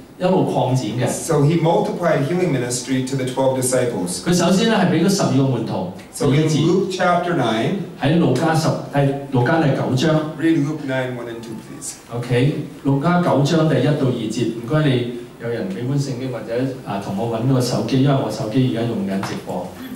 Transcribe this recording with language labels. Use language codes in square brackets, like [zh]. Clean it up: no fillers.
[yue] 一路擴展嘅。 [en] So he multiplied healing ministry to the 12 disciples. [yue] 佢首先咧係俾咗十二個門徒。 [en] So in Luke chapter 9. [yue] 喺路加十係路加第九章。 [en] Read Luke 9:1-2, please. [yue] Okay, 路加九章第一到二節，唔該你有人俾本聖經或者啊同我揾個手機，因為我手機而家用緊直播。